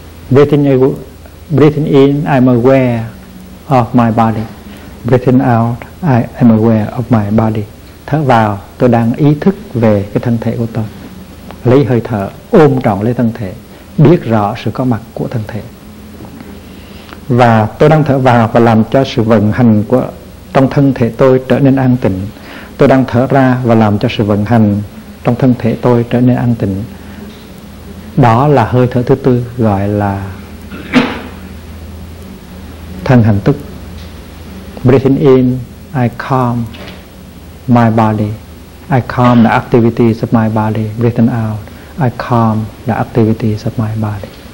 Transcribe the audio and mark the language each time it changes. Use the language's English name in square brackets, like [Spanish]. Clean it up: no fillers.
[English] Breathing in, I'm aware of my body. Breathing out, I am aware of my body. [Vietnamese] Thở vào, tôi đang ý thức về cái thân thể của tôi. Lấy hơi thở, ôm trọn lấy thân thể, biết rõ sự có mặt của thân thể. Và tôi đang thở vào và làm cho sự vận hành của trong thân thể tôi trở nên an tịnh. Tôi đang thở ra và làm cho sự vận hành trong thân thể tôi trở nên an tịnh. Đó là hơi thở thứ tư, gọi là thân hành túc. [English] Breathing in, I calm my body. I calm the activities of my body. Breathing out, I calm the activities of my body.